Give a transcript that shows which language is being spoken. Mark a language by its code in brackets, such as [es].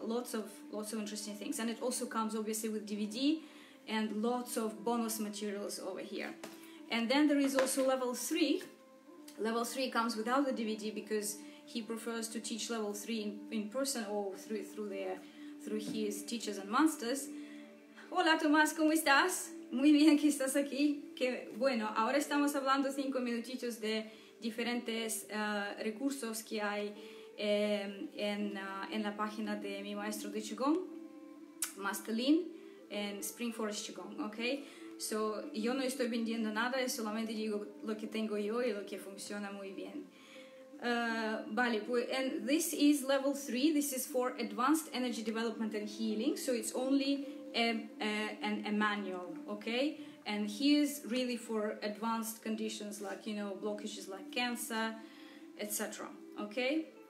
[en] Lots of interesting things. And it also comes obviously with DVD and lots of bonus materials over here. And then there is also level 3. Level 3 comes without the DVD because he prefers to teach level 3 in person or through his teachers and masters. [es] Hola Tomás, ¿cómo estás? Muy bien que estás aquí. Que bueno, ahora estamos hablando 5 minutitos de diferentes recursos que hay en la página de mi maestro de Qigong, Master Lin, en Spring Forest Qigong, okay? So yo no estoy vendiendo nada, solamente digo lo que tengo yo y lo que funciona muy bien. [en] Vale, and this is level 3. This is for advanced energy development and healing. So it's only a manual, okay? And here's really for advanced conditions like, you know, blockages like cancer, etc. Okay?